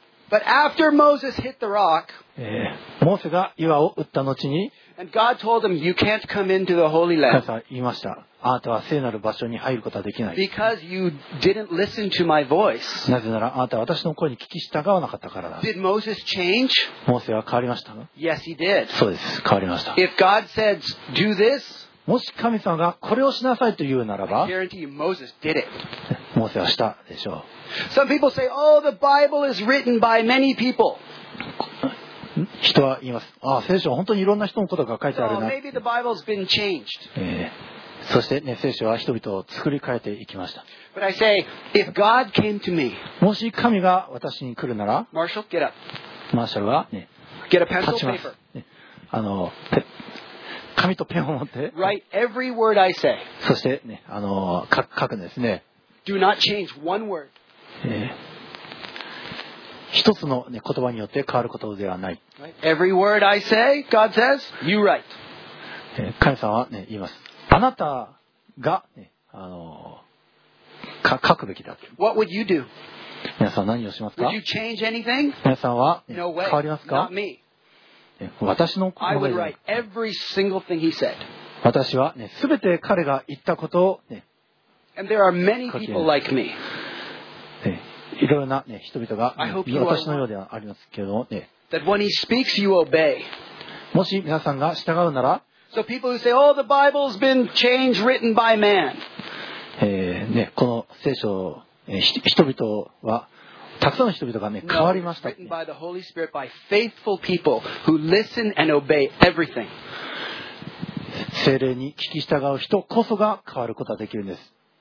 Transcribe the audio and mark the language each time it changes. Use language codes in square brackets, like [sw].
[en] But after Moses hit the rock, [ja] モーセが岩を打った後に、 [en] And God told him, "You can't come into the holy land." [ja] 神様は言いました。あなたは聖なる場所に入ることはできない。 [en] Because you didn't listen to my voice. [ja] なぜならあなたは私の声に聞き従わなかったからだ。 [en] Did Moses change? [ja] モーセは変わりましたか？ [en] Yes, he did. [ja] そうです。変わりました。 [en] If God said, "Do this," [ja] もし神様がこれをしなさいと言うならば、 [en] I guarantee you, Moses did it. [ja] モーセはしたでしょう。 [en] Some people say, "Oh, the Bible is written by many people." [ja] 人は言います。ああ、聖書は本当にいろんな人のことが書いてあるな。 [en] So maybe the Bible's been changed. [ja] そして、ね、聖書は人々を作り変えていきました。 [en] But I say, if God came to me, [ja] もし神が私に来るなら、 [en] Marshall, get up. [ja] マーシャルは、ね、 [en] get a pencil, [ja] 立ちます。ね、あの紙とペンを持って、 [en] write every word I say. [ja] そして、ね、あの書くんですね。 [en] Do not change one word. [ja] 一つの、ね、言葉によって変わることではない。 [en] Right? Every word I say, God says, you write. [ja] 神様は、ね、言います。あなたが、ね、あの書くべきだ。 [en] What would you do? [ja] 皆さん何をしますか？ [en] Would you change anything? [ja] 皆さんは、ね、 [en] no、way. [ja] 変わりますか？ [en] Not me. [ja] 私の [en] I would write every single thing he said. [ja] 私は、ね、全て彼が言ったことを、ね、 [en] And there are many people like me. [ja] いろいろな、ね、人々が、ね、私のようではありますけど、ね、 [en] That when he speaks, you obey. [ja] もし皆さんが従うなら、 [en] So people who say, "Oh, the Bible's been changed, written by man." [ja] ね、この聖書、人々はたくさんの人々がね変わりました。 [en] Written by the Holy Spirit by faithful people who listen and obey everything. [ja] 聖霊に聞き従う人こそが変わることができるんです。